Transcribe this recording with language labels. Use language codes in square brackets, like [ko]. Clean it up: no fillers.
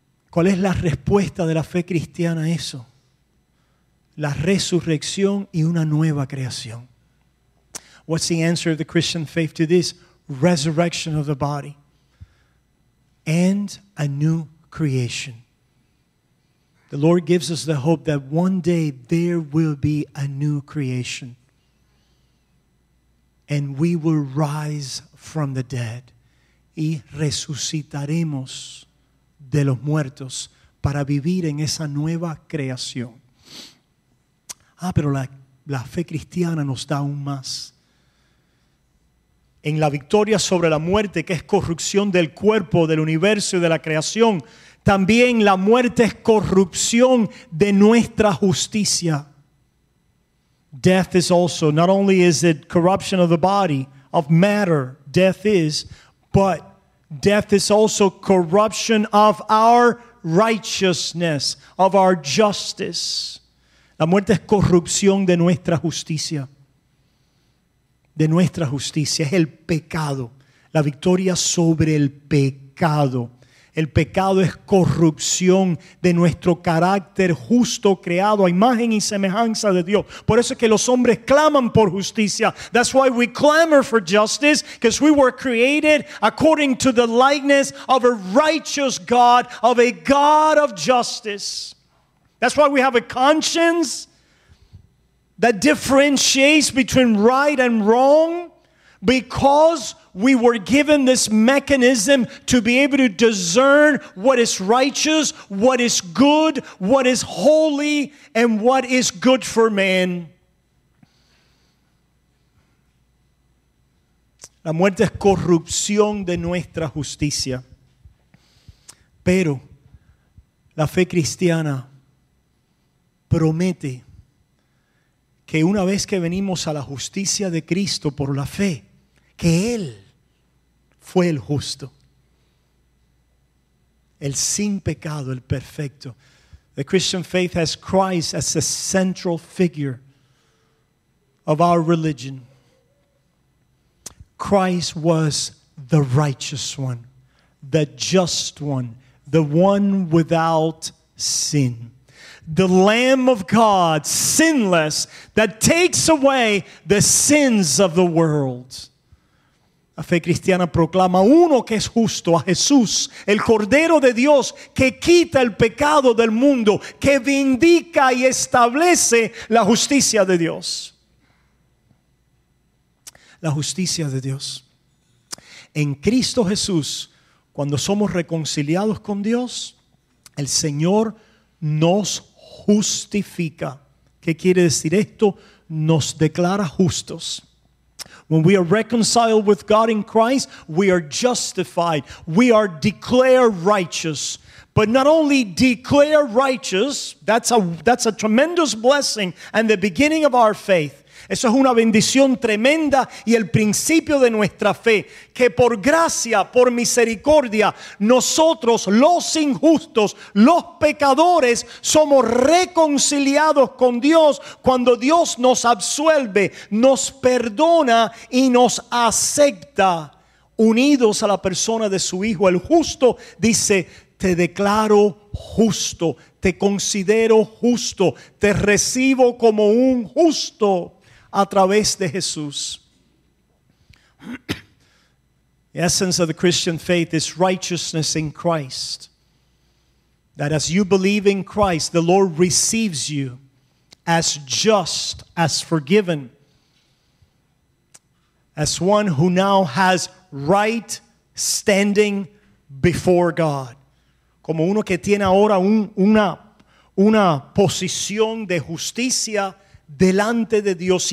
[es] ¿Cuál es la respuesta de la fe cristiana a eso? La resurrección y una nueva creación. [en] What's the answer of the Christian faith to this? Resurrection of the body and a new creation. The Lord gives us the hope that one day there will be a new creation and we will rise from the dead [es] y resucitaremos de los muertos para vivir en esa nueva creación. Ah, pero la fe cristiana nos da aún más. En la victoria sobre la muerte, que es corrupción del cuerpo, del universo y de la creación, también la muerte es corrupción de nuestra justicia. [en] Death is also, not only is it corruption of the body, of matter, death is, but death is also corruption of our righteousness, of our justice. [es] La muerte es corrupción de nuestra justicia. De nuestra justicia, es el pecado, la victoria sobre el pecado. El pecado es corrupción de nuestro carácter justo, creado a imagen y semejanza de Dios. Por eso es que los hombres claman por justicia. [en] That's why we clamor for justice, because we were created according to the likeness of a righteous God, of a God of justice. That's why we have a conscience that differentiates between right and wrong, because we were given this mechanism to be able to discern what is righteous, what is good, what is holy, and what is good for man. [es] La muerte es corrupción de nuestra justicia. Pero la fe cristiana promete que una vez que venimos a la justicia de Cristo por la fe, que Él fue el justo, el sin pecado, el perfecto. [en] The Christian faith has Christ as the central figure of our religion. Christ was the righteous one, the just one, the one without sin. The Lamb of God, sinless, that takes away the sins of the world. [es] La fe cristiana proclama uno que es justo, a Jesús, el Cordero de Dios, que quita el pecado del mundo, que vindica y establece la justicia de Dios. La justicia de Dios. En Cristo Jesús, cuando somos reconciliados con Dios, el Señor nos justifica. ¿Qué quiere decir esto? Nos declara justos. [en] When we are reconciled with God in Christ, we are justified. We are declared righteous. But not only declared righteous, that's a tremendous blessing and the beginning of our faith. [es] Eso es una bendición tremenda y el principio de nuestra fe. Que por gracia, por misericordia, nosotros los injustos, los pecadores, somos reconciliados con Dios cuando Dios nos absuelve, nos perdona y nos acepta unidos a la persona de su Hijo. El justo dice: te declaro justo, te considero justo, te recibo como un justo a través de Jesús. [en] The essence of the Christian faith is righteousness in Christ. That as you believe in Christ, the Lord receives you as just, as forgiven, as one who now has right standing before God. [es] Como uno que tiene ahora una posición de justicia delante de Dios.